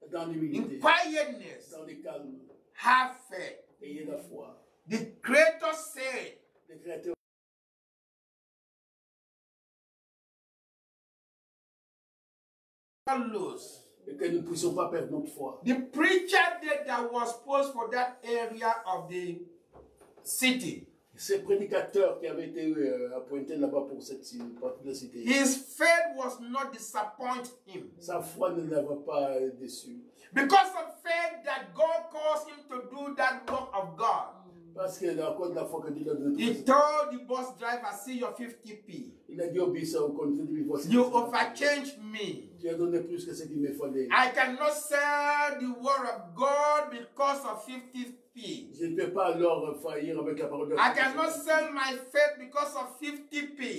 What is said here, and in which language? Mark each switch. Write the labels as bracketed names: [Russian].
[French] Dans l'humilité. [English] In quietness. [French] Dans le calme. [English] Have faith. [French] Ayez la foi. [English] The Creator said. [French] Le Créateur. [English] Lose. [French] Que nous puissions pas perdre notre foi. [English] The preacher there that was posed for that area of the city. [French] Ce prédicateur qui avait été appointé là-bas pour cette partie de la cité. [English] His faith was not disappoint him. [French] Sa foi ne l'avait pas déçu. [English] Because of faith that God caused him to do that work of God. [French] Parce que à cause de la foi que Dieu l'a donné. [English] He told the bus driver, "See your 50 p." [French] Il a dit au bus au conducteur de 50 p. [English] You overchanged me. [French] Tu as donné plus que ce qu'il me fallait. [English] I cannot sell the word of God because of 50 p. [French] Je ne peux pas alors faillir avec la parole de Dieu. [English] I cannot sell my faith because of 50 p.